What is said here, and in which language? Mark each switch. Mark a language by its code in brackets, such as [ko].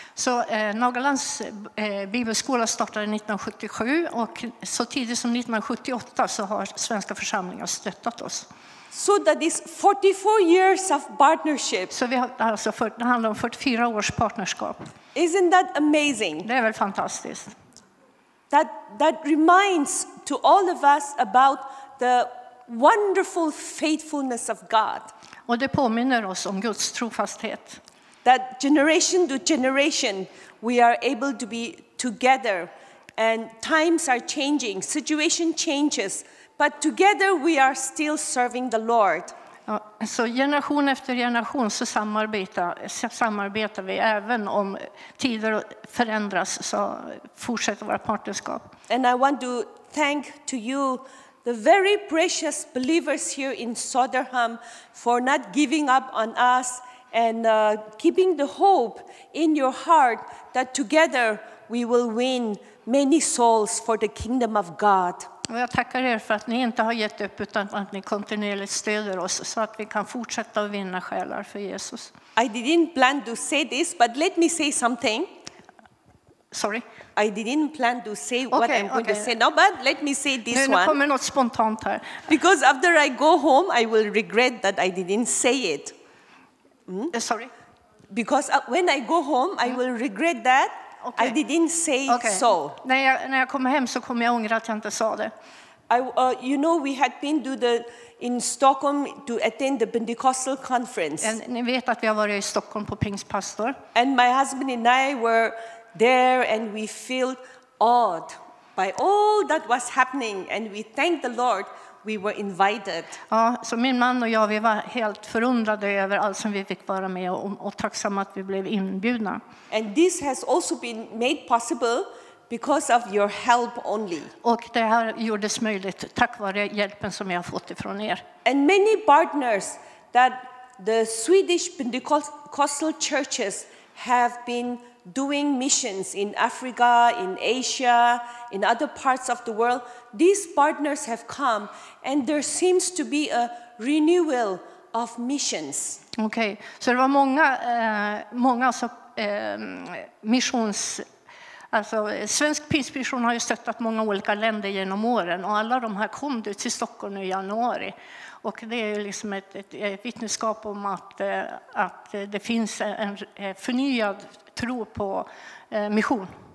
[sv] Så Nagalands bibelskola startade 1977 och så tidigt som 1978 så har svenska församlingar stöttat oss. [en] So that is 44 years of partnership. [sv] Så vi har alltså det handlar om 44 års partnerskap. [en] Isn't that amazing? [sv] Det är väl fantastiskt. [en] That reminds to all of us about the wonderful faithfulness of God. [sv] Och det påminner oss om Guds trofasthet. [en] That generation to generation we are able to be together, and times are changing, situation changes, but together we are still serving the Lord. [sv] Så generation efter generation så samarbetar vi, även om tider förändras så fortsätter våra partnerskap. [en] And I want to thank to you the very precious believers here in Söderhamn for not giving up on us and keeping the hope in your heart that together we will win many souls for the kingdom of God. [sv] Och jag tackar er för att ni inte har gett upp utan att ni kontinuerligt stöder oss så att vi kan fortsätta att vinna själar för Jesus. [en] I didn't plan to say this, but let me say something. Sorry. I didn't plan to say what I'm going to say now, but let me say this [sv] nu kommer något spontant här. [en] Because after I go home, I will regret that I didn't say it. Sorry. Because when I go home, I will regret that I didn't say so. [sv] När jag kommer hem så kommer jag ångra att jag inte sa det. [en] You know, we had been in Stockholm to attend the Pentecostal conference. [sv] Ni vet att vi har varit i Stockholm på Pingstpastor. [en] And my husband and I were there, and we felt awed by all that was happening, and we thanked the Lord we were invited. [sv] Ja, så min man och jag, vi var helt förundrade över allt som vi fick vara med och tacksamma att vi blev inbjudna. [en] And this has also been made possible because of your help only. [sv] Och det här gjordes möjligt tack vare hjälpen som jag fått ifrån er. [en] And many partners that the Swedish Pentecostal churches have been doing missions in Africa, in Asia, in other parts of the world. These partners have come, and there seems to be a renewal of missions. [sv] Okay, så det var många missions, alltså svensk pingstmission har ju stöttat många olika länder genom åren, och alla de här kom ut till Stockholm i januari. Och det är liksom ett vittneskap om att det finns en förnyad tro på mission.